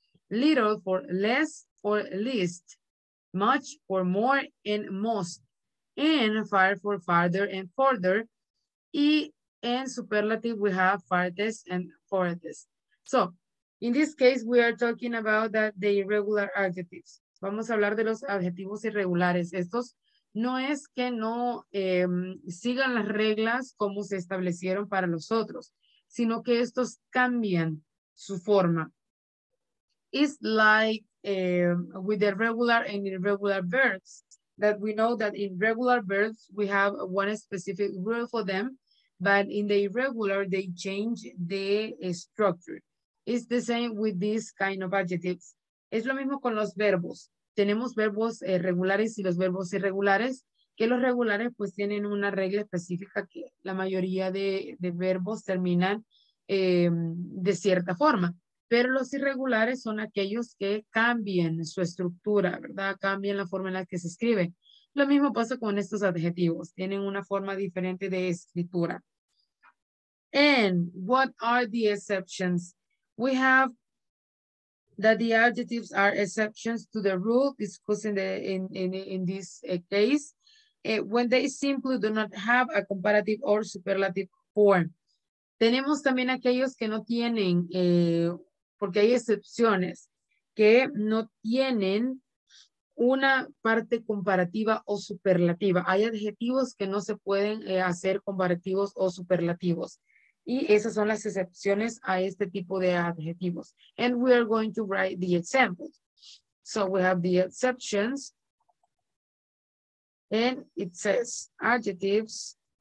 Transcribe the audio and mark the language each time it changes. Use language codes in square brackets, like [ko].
[en] Little for less or least. Much for more and most. And far for farther and further. And superlative, we have farthest and farthest. So, in this case, we are talking about the irregular adjectives. [es] Vamos a hablar de los adjetivos irregulares. Estos no es que no sigan las reglas como se establecieron para los otros, sino que estos cambian su forma. [en] It's like with the regular and irregular verbs, that we know that in regular verbs, we have one specific rule for them. But in the irregular, they change the structure. It's the same with these kind of adjectives. [es] Es lo mismo con los verbos. Tenemos verbos regulares y los verbos irregulares, que los regulares pues tienen una regla específica que la mayoría de verbos terminan de cierta forma. Pero los irregulares son aquellos que cambian su estructura, ¿verdad? Cambian la forma en la que se escribe. Lo mismo pasa con estos adjetivos. Tienen una forma diferente de escritura. [en] And what are the exceptions? We have that the adjectives are exceptions to the rule discussed in this case when they simply do not have a comparative or superlative form. [es] Tenemos también aquellos que no tienen, porque hay excepciones, que no tienen una parte comparativa o superlativa. Hay adjetivos que no se pueden hacer comparativos o superlativos. Y esas son las excepciones a este tipo de adjetivos. [en] And we are going to write the examples. So we have the exceptions. And it says adjectives.